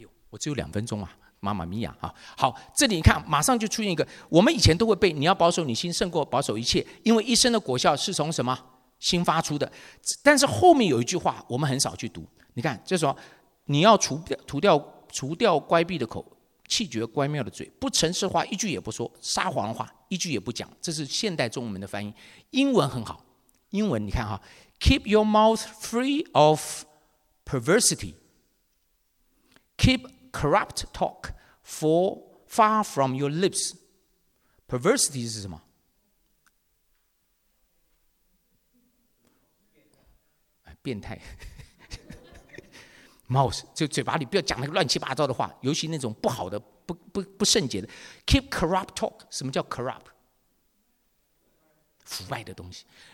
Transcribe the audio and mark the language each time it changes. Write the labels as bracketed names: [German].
[Chinese] 我只有两分钟啊，妈妈咪呀啊！好，这里你看，马上就出现一个，我们以前都会背，你要保守你心胜过保守一切，因为一生的果效是从什么心发出的。但是后面有一句话，我们很少去读。你看，这时候你要除掉乖僻的口，弃绝乖谬的嘴，不诚实话一句也不说，撒谎的话一句也不讲。这是现代中文的翻译，英文很好。英文你看哈 [English] ，keep your mouth free of perversity。 Keep corrupt talk far from your lips. [Chinese] Perversity 是什么？变态。 Mouth 就嘴巴里不要讲那个乱七八糟的话，尤其那种不好的、不圣洁的。 [English] Keep corrupt talk. [Chinese] 什么叫 corrupt？ 腐败的东西。